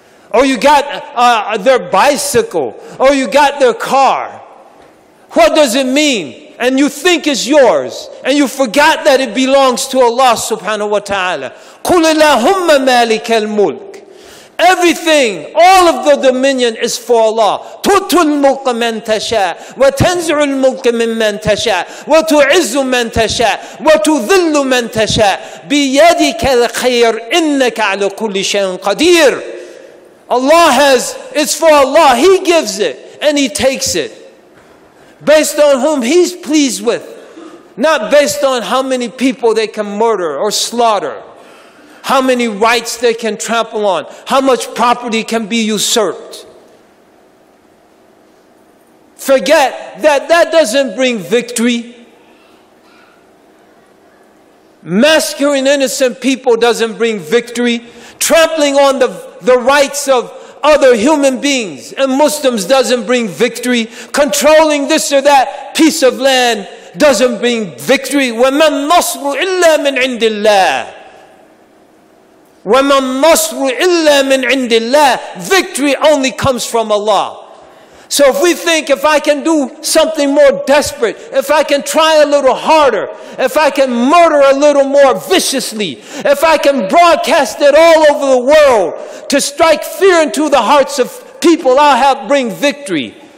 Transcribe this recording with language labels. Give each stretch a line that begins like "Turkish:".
English: Or you got their bicycle. Or you got their car. What does it mean? And you think it's yours. And you forgot that it belongs to Allah subhanahu wa ta'ala.
Arabic: قُلْ إِلَهُمَّ مَالِكَ الْمُلْكِ
English: Everything, all of the dominion is for Allah.
Arabic: تُؤْتُ الْمُلْكَ مَنْ تَشَاءُ وَتَنْزِعُ الْمُلْكَ مِمَّنْ تَشَاءُ وَتُعِزُّ مَنْ تَشَاءُ وَتُذِلُّ مَنْ تَشَاءُ بِيَدِكَ الْخَيْرُ إِنَّكَ عَلَى كُلِّ شَيْءٍ قَدِيرٌ
English: Allah has, it's for Allah. He gives it and He takes it. Based on whom He's pleased with. Not based on how many people they can murder or slaughter. How many rights they can trample on. How much property can be usurped. Forget that that doesn't bring victory. Massacring innocent people doesn't bring victory. Trampling on the rights of other human beings and Muslims doesn't bring victory. Controlling this or that piece of land doesn't bring victory.
Arabic: وَمَا النَّصْرُ إِلَّا مِنْ عِنْدِ اللَّهِ وَمَا النَّصْرُ إِلَّا مِنْ عِنْدِ اللَّهِ
English: Victory only comes from Allah. So if we think, if I can do something more desperate, if I can try a little harder, if I can murder a little more viciously, if I can broadcast it all over the world to strike fear into the hearts of people, I'll help bring victory.